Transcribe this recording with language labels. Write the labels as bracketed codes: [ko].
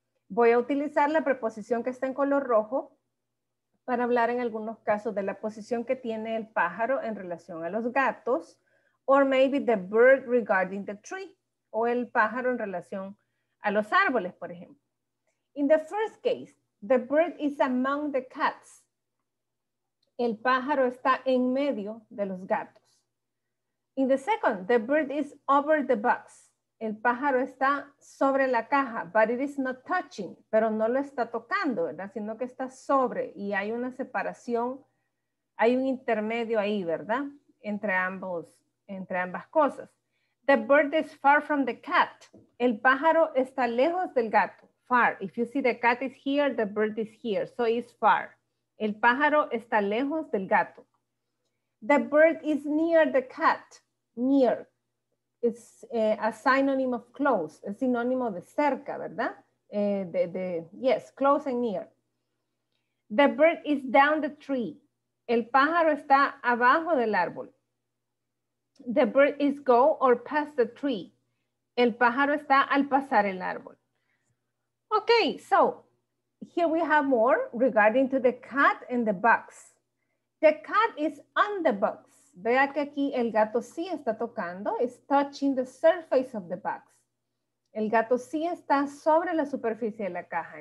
[es] Voy a utilizar la preposición que está en color rojo para hablar en algunos casos de la posición que tiene el pájaro en relación a los gatos, [en] or maybe the bird regarding the tree, [es] o el pájaro en relación a los árboles, por ejemplo. [en] In the first case, the bird is among the cats. [es] El pájaro está en medio de los gatos. [en] In the second, the bird is over the box. [es] El pájaro está sobre la caja, [en] but it is not touching, [es] pero no lo está tocando, ¿verdad? Sino que está sobre y hay una separación, hay un intermedio ahí, ¿verdad? Entre ambas cosas. [en] The bird is far from the cat. [es] El pájaro está lejos del gato. Far. [en] If you see the cat is here, the bird is here. So it's far. [es] El pájaro está lejos del gato. [en] The bird is near the cat. Near. It's a synonym of close. [es] Es sinónimo de cerca, ¿verdad? [en] Yes, close and near. The bird is down the tree. [es] El pájaro está abajo del árbol. [en] The bird is go or past the tree. [es] El pájaro está al pasar el árbol. [en] Okay, so here we have more regarding to the cat and the box. The cat is on the box. [es] Vea que aquí el gato sí está tocando. [en] It's touching the surface of the box. [es] El gato sí está sobre la superficie de la caja.